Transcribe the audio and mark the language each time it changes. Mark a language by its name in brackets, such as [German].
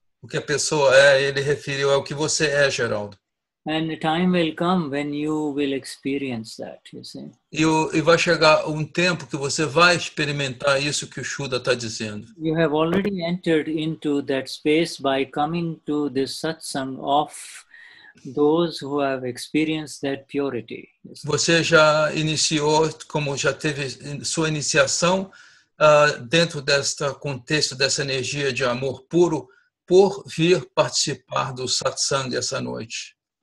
[Portuguese] O que a pessoa é, ele referiu, é o que você é, Geraldo. [English] And the time will come when you will experience that, you see. [Portuguese] E vai chegar um tempo que você vai experimentar isso que o Shuddha está dizendo. [English] You have already entered into that space by coming to this satsang of those who have experienced that purity. [Portuguese] Você já iniciou, como já teve sua iniciação dentro desse contexto, dessa energia de amor puro, por vir participar do satsang essa noite.